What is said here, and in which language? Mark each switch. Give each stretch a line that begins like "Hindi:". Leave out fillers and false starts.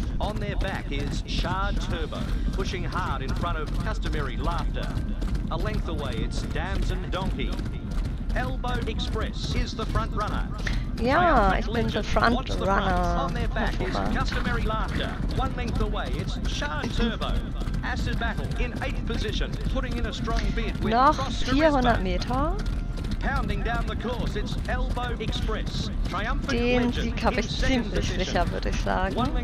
English: On their back is Shard Turbo, pushing hard in front of Customary Laughter. A length away, it's Damson Donkey. Elbow Express is the front runner.
German: Ja, ich bin der Frontrunner.
English: On their back is Customary Laughter. One length away, it's Shard Turbo. Acid Battle in 8th position, putting in a strong bid with
German: Noch 400 Meter.
English: Pounding down the course, it's Elbow Express.
German: Den Sieg habe ich ziemlich sicher, würde ich sagen.